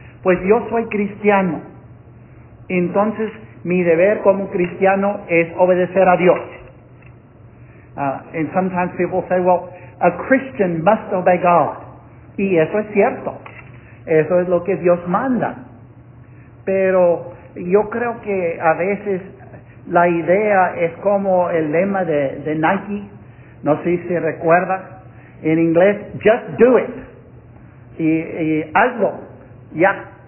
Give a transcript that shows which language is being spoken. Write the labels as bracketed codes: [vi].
[es] Pues yo soy cristiano, entonces mi deber como cristiano es obedecer a Dios. [en] And sometimes people say, well, a Christian must obey God. [es] Y eso es cierto. Eso es lo que Dios manda. Pero yo creo que a veces la idea es como el lema de Nike. No sé si recuerda. En inglés, [en] just do it. [es] Y hazlo. Ya.